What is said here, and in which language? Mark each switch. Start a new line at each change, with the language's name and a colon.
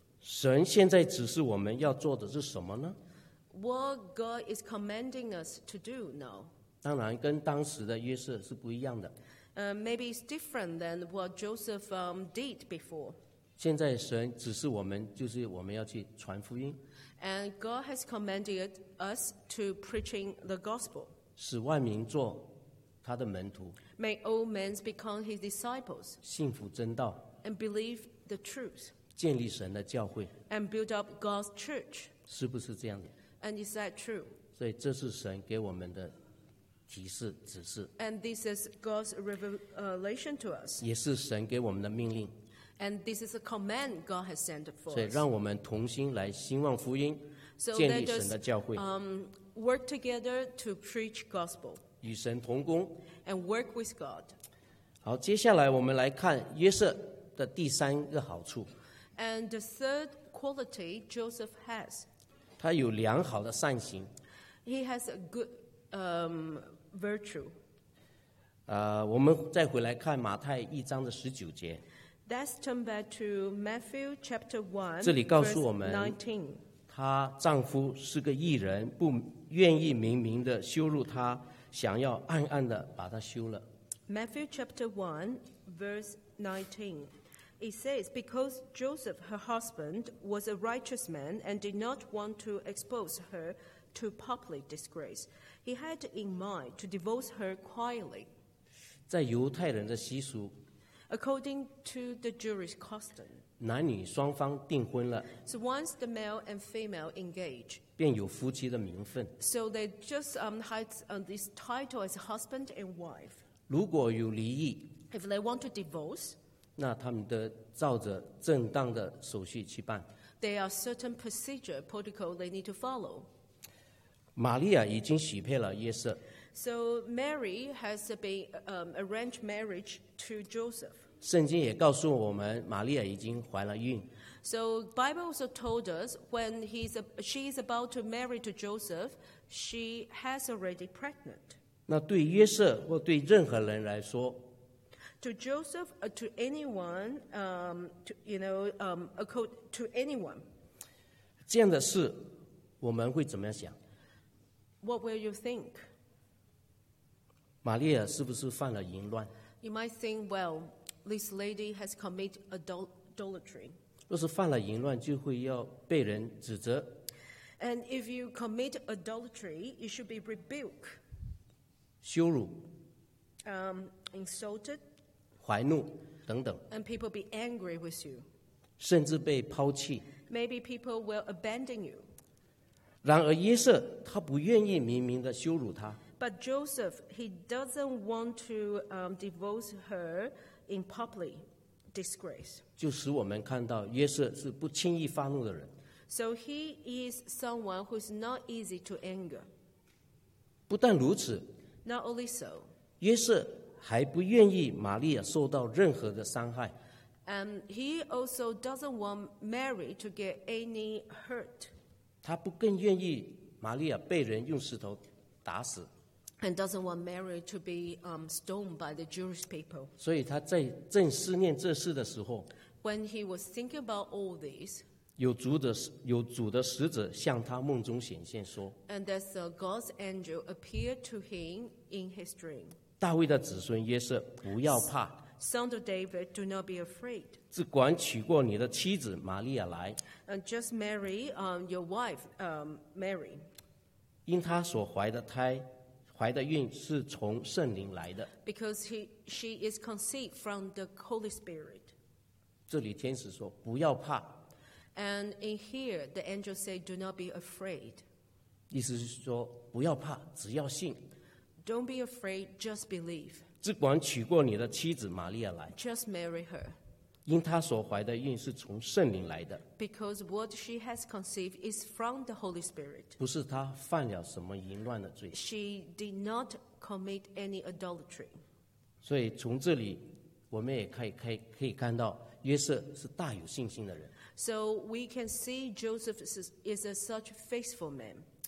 Chinese: 神现在指示我们要做的是什么呢？
English: What God is commanding us to do now?
Chinese: 当然跟当时的约瑟是不一样的。
English: Maybe it's different than what Joseph did before.
Chinese: 现在神指示我们，就是我们要去传福音。
English: And God has commanded us to preaching the gospel.
Chinese: 使万民做他的门徒。
English: May all men become his disciples.
Chinese: 信服真道。
English: And believe the truth.
Chinese: 建立神的教会。
English: And build up God's church.
Chinese: 是不是这样的？
English: And is that true?
Chinese: 所以这是神给我们的提示指示。
English: And this is God's revelation to us.
Chinese: 也是神给我们的命令。
English: And this is a command God has sent for us.
Chinese: 所以让我们同心来兴旺福音，建立神的教会。
English: So let us work together to preach gospel.
Chinese: 与神同工。
English: And work with God.
Chinese: 好，接下来我们来看约瑟的第三个好处。
English: And the third quality Joseph has.
Chinese: 他有良好的善行。
English: He has a good virtue.
Chinese: 我们再回来看马太一章的十九节。
English: Let's turn back to Matthew chapter 1.
Chinese: 这里告诉我们，她丈夫是个义人，不愿意明明的羞辱她，想要暗暗的把她休了。
English: Matthew chapter 1, verse 19. It says, because Joseph, her husband, was a righteous man and did not want to expose her to public disgrace. He had in mind to divorce her quietly.
Chinese: 在犹太人的习俗，
English: According to the Jewish custom,
Chinese: 男女双方订婚了，
English: So once the male and female engage,
Chinese: 便有夫妻的名分。
English: So they just had this title as husband and wife.
Chinese: 如果有离异，
English: If they want to divorce,
Chinese: 那他们得照着正当的手续去办。
English: There are certain procedure, protocol they need to follow.
Chinese: 玛利亚已经许配了约瑟。
English: So Mary has been arranged marriage to Joseph.
Chinese: 圣经也告诉我们，玛利亚已经怀了孕。
English: So Bible also told us when she is about to marry to Joseph, she has already pregnant.
Chinese: 那对约瑟或对任何人来说
English: ，To Joseph, to anyone, to anyone.
Chinese: 这样的事，我们会怎么样想？
English: What will you think?
Chinese: 玛利亚是不是犯了淫乱？
English: You might think, well, this lady has committed adultery.
Chinese: 若是犯了淫乱，就会要被人指责。
English: And if you commit adultery, you should be rebuked.
Chinese: 羞辱。
English: Insulted.
Chinese: 怀怒等等。
English: And people be angry with you.
Chinese: 甚至被抛弃。
English: Maybe people will abandon you.
Chinese: 然而约瑟他不愿意明明的羞辱他。
English: But Joseph, he doesn't want to divorce her in public disgrace.
Chinese: 就使我们看到约瑟是不轻易发怒的人。
English: So he is someone who is not easy to anger.
Chinese: 不但如此，
English: Not only so.
Chinese: 约瑟还不愿意玛利亚受到任何的伤害。
English: And he also doesn't want Mary to get any hurt.
Chinese: 他不更愿意玛利亚被人用石头打死。
English: And doesn't want Mary to be stoned by the Jewish people.
Chinese: 所以他在正思念这事的时候，
English: When he was thinking about all this,
Chinese: 有主的使者向他梦中显现说，
English: And that's God's angel appeared to him in his dream.
Chinese: 大卫的子孙约瑟，不要怕。
English: Son of David, do not be afraid.
Chinese: 只管娶过你的妻子玛利亚来。
English: And just marry your wife, Mary.
Chinese: 因她所怀的孕是从圣灵来的。
English: Because she is conceived from the Holy Spirit.
Chinese: 这里天使说不要怕。
English: And in here, the angel say, do not be afraid.
Chinese: 意思是说不要怕，只要信。
English: Don't be afraid, just believe.
Chinese: 只管娶过你的妻子玛利亚来。
English: Just marry her.
Chinese: 因她所怀的孕是从圣灵来的。
English: Because what she has conceived is from the Holy Spirit.
Chinese: 不是她犯了什么淫乱的罪。
English: She did not commit any adultery.
Chinese: 所以从这里我们也可以看到约瑟是大有信心的人。
English: So we can see Joseph is a such faithful man.